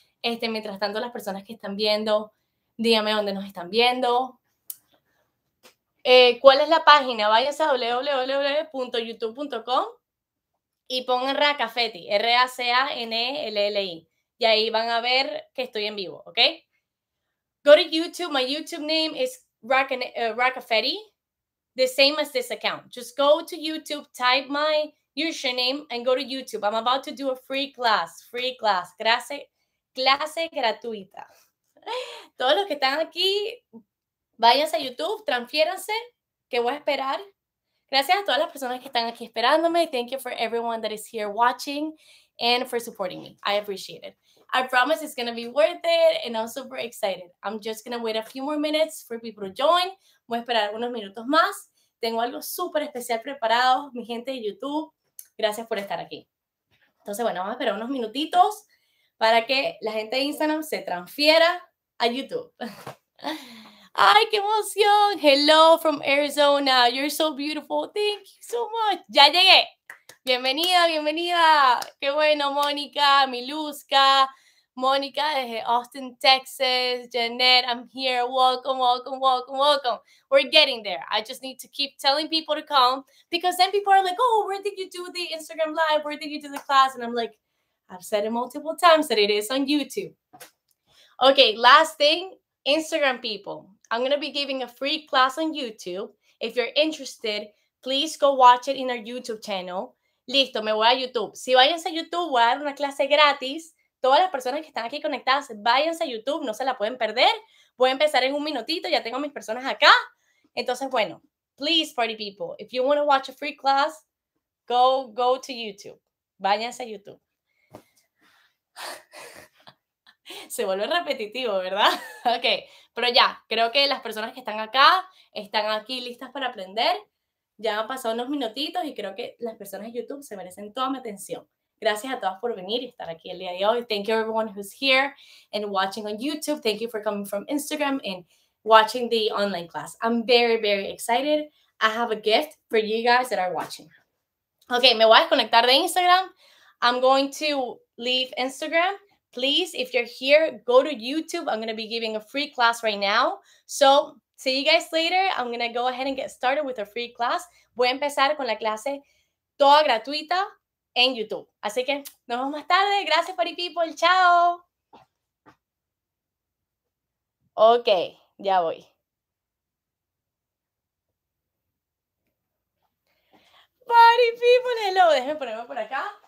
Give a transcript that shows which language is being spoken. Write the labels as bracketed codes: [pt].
[es] Mientras tanto, las personas que están viendo, díganme dónde nos están viendo. ¿Cuál es la página? Váyanse a www.youtube.com y pongan Racafetti, R-A-C-A-N-L-L-I. Y ahí van a ver que estoy en vivo, ¿ok? [en] Go to YouTube. My YouTube name is Racafetti, the same as this account. Just go to YouTube, type my username, and go to YouTube. I'm about to do a free class. Free class. [es] Clase gratuita. Todos los que están aquí, váyanse a YouTube, transfiéranse, que voy a esperar. Gracias a todas las personas que están aquí esperándome. [en] Thank you for everyone that is here watching and for supporting me. I appreciate it. I promise it's going to be worth it, and I'm super excited. I'm just going to wait a few more minutes for people to join. [es] Voy a esperar unos minutos más. Tengo algo súper especial preparado, mi gente de YouTube. Gracias por estar aquí. Entonces, bueno, vamos a esperar unos minutitos para que la gente de Instagram se transfiera a YouTube. ¡Ay, qué emoción! [en] Hello from Arizona. You're so beautiful. Thank you so much. [es] ¡Ya llegué! Bienvenida, bienvenida. Qué bueno, Mónica, Miluska, Mónica desde Austin, Texas, Jeanette, [en] I'm here. Welcome, welcome, welcome, welcome. We're getting there. I just need to keep telling people to come because then people are like, oh, where did you do the Instagram live? Where did you do the class? And I'm like, I've said it multiple times that it is on YouTube. Okay, last thing, Instagram people. I'm going to be giving a free class on YouTube. If you're interested, please go watch it in our YouTube channel. [es] Listo, me voy a YouTube. Si váyanse a YouTube, voy a dar una clase gratis. Todas las personas que están aquí conectadas, váyanse a YouTube. No se la pueden perder. Voy a empezar en un minutito. Ya tengo a mis personas acá. Entonces, bueno, [en] please, party people, if you want to watch a free class, go to YouTube. [es] Váyanse a YouTube. Se vuelve repetitivo, ¿verdad? Ok, pero ya, creo que las personas que están acá están aquí listas para aprender. Ya han pasado unos minutitos y creo que las personas de YouTube se merecen toda mi atención. Gracias a todas por venir y estar aquí el día de hoy. [en] Thank you everyone who's here and watching on YouTube. Thank you for coming from Instagram and watching the online class. I'm very, very excited. I have a gift for you guys that are watching. [es] Ok, me voy a desconectar de Instagram. [en] I'm going to leave Instagram. Please, if you're here, go to YouTube. I'm going to be giving a free class right now. So, see you guys later. I'm going to go ahead and get started with a free class. [es] Voy a empezar con la clase toda gratuita en YouTube. Así que, nos vemos más tarde. Gracias, Party People. ¡Chao! Ok, ya voy. Party People, hello. Déjenme ponerme por acá.